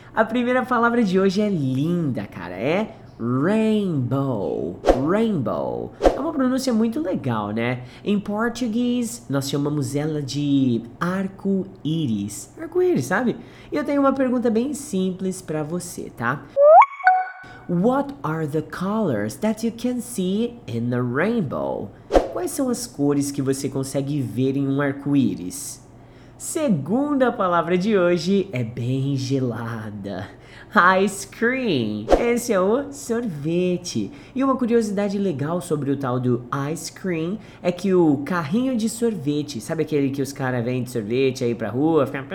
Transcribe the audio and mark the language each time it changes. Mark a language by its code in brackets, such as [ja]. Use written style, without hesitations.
[pt] A primeira palavra de hoje é linda, cara, é rainbow, rainbow. É uma pronúncia muito legal, né? Em português, nós chamamos ela de arco-íris. Arco-íris, sabe? E eu tenho uma pergunta bem simples para você, tá? [en] What are the colors that you can see in the rainbow? [pt] Quais são as cores que você consegue ver em um arco-íris? Segunda palavra de hoje é bem gelada. Ice cream. Esse é o sorvete. E uma curiosidade legal sobre o tal do ice cream é que o carrinho de sorvete, sabe aquele que os caras vendem sorvete aí pra rua?